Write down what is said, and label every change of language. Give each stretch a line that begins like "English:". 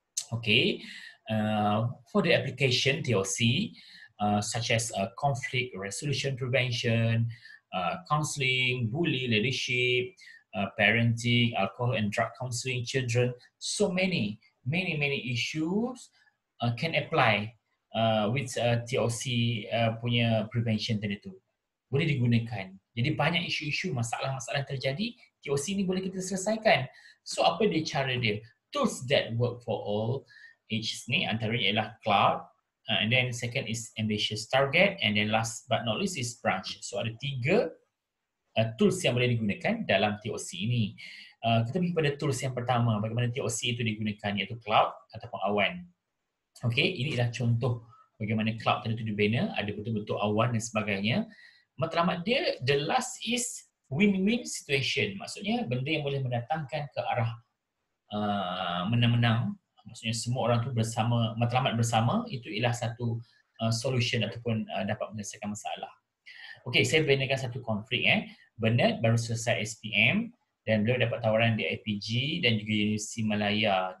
English: Okay, for the application TOC, such as conflict resolution prevention, counseling, bully leadership, parenting, alcohol and drug counseling children, so many issues can apply with TOC
Malay: punya prevention tadi tu. Boleh digunakan. Jadi banyak isu-isu, masalah-masalah terjadi, TOC ni boleh kita selesaikan.
English: So
Malay: apa dia cara dia?
English: Tools that work for all ages
Malay: ni antaranya ialah
English: cloud, and then second is ambitious target, and then last but not least is branch.
Malay: So ada tiga tools yang boleh digunakan dalam TOC ini. Kita pergi pada tools yang pertama, bagaimana TOC itu digunakan, iaitu cloud ataupun awan. Okay, ini adalah contoh bagaimana cloud tadi itu dibina, ada bentuk-bentuk awan dan sebagainya. Matlamat dia,
English: the last is win-win situation.
Malay: Maksudnya benda yang boleh mendatangkan ke arah menang-menang. Maksudnya semua orang tu bersama, matlamat bersama, itu ialah satu solution ataupun dapat menyelesaikan masalah. Okay, saya benarkan satu konflik Bernard baru selesai SPM dan beliau dapat tawaran di IPG dan juga Universiti Malaya.